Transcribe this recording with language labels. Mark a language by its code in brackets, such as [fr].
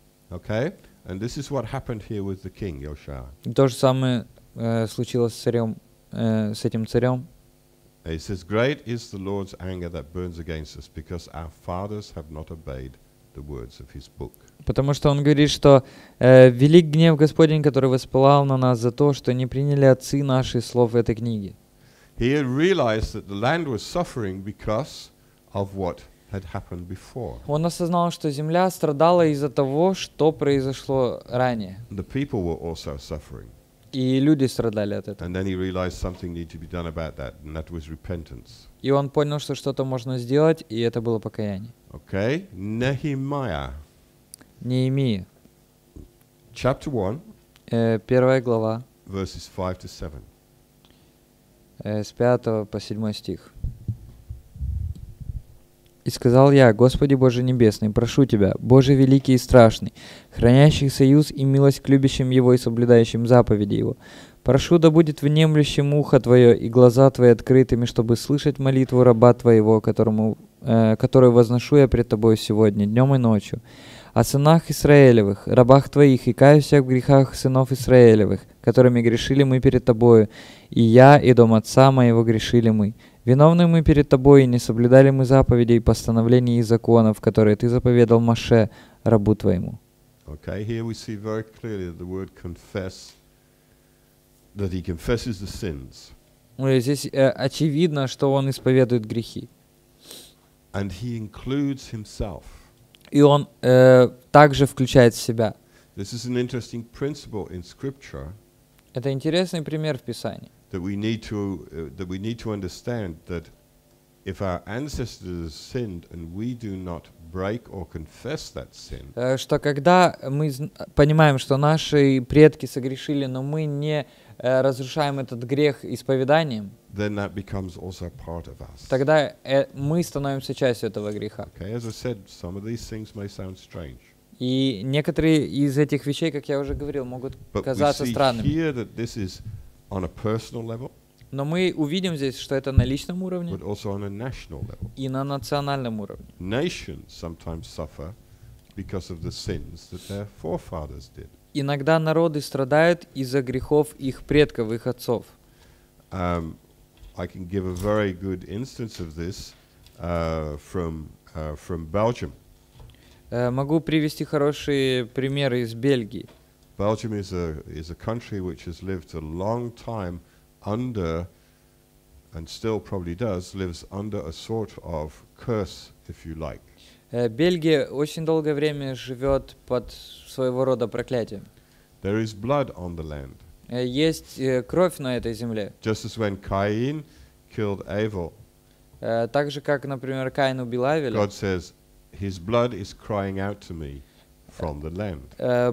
[en] Okay, and this is what happened here with the king, Yosha. [ru] То же самое случилось с царем, с этим царем. [en] He says, great is the Lord's anger that burns against us because our fathers have not obeyed the words of his book. [ru] Потому что он говорит, что велик гнев Господень, который воспылал на нас за то, что не приняли отцы наши слов в этой книге. [en] He had realized that the land was suffering because of what had happened before. [ru] Он осознал, что земля страдала из-за того, что произошло ранее. [en] The people were also suffering. [ru] И люди страдали от этого. [en] And then he realized something needed to be done about that, and that was repentance. [ru] И он понял, что что-то можно сделать, и это было покаяние. [en] Okay, Nehemiah. [ru] Неемия. [en] Chapter 1. [ru] Первая глава. [en] Verses 5 to 7. [ru] С 5 по 7 стих. «И сказал я, Господи Боже Небесный, прошу Тебя, Боже Великий и Страшный, хранящий союз и милость к любящим Его и соблюдающим заповеди Его, прошу, да будет внемлющим ухо Твое и глаза Твои открытыми, чтобы слышать молитву раба Твоего, которую возношу я пред Тобой сегодня, днем и ночью, о сынах Израилевых, рабах Твоих, и каюсь я в грехах сынов Израилевых, которыми грешили мы перед Тобою, и я, и дом отца моего грешили мы». Виновны мы перед Тобой, и не соблюдали мы заповедей, постановлений и законов, которые Ты заповедал Моше, рабу Твоему. [en] Okay, here we see very clearly that the word confess, that he confesses the sins. [ru] Здесь очевидно, что он исповедует грехи. [en] And he includes himself. [ru] И он также включает себя. [en] This is an interesting principle in scripture. [ru] Это интересный пример в Писании. [en] That we need to understand that if our ancestors sinned and we do not break or confess that sin, [ru] что когда мы понимаем, что наши предки согрешили, но мы не разрушаем этот грех исповеданием, [en] then that becomes also part of us. [ru] Тогда мы становимся частью этого греха. [en] Okay, as I said, some of these things may sound strange. [ru] И некоторые из этих вещей, как я уже говорил, могут казаться странными. [en] But we see here that this is on a personal level. [ru] Но мы увидим здесь, что это на личном уровне. [en] But also on a national level. [ru] И на национальном уровне. [en] Nations sometimes suffer because of the sins that their forefathers did. [ru] Иногда народы страдают из-за грехов их предков, их отцов. [en] I can give a very good instance of this from Belgium. [ru] Могу привести хорошие примеры из Бельгии. [en] Belgium is a country which has lived a long time under, and still probably does, lives under a sort of curse, if you like. [ru] Бельгия очень долгое время живет под своего рода проклятием. [en] There is blood on the land. [ru] Есть кровь на этой земле. [en] Just as when Cain killed Abel. [ru] Так же, как, например, Каин убил Авеля. [en] God says, his blood is crying out to me from the land.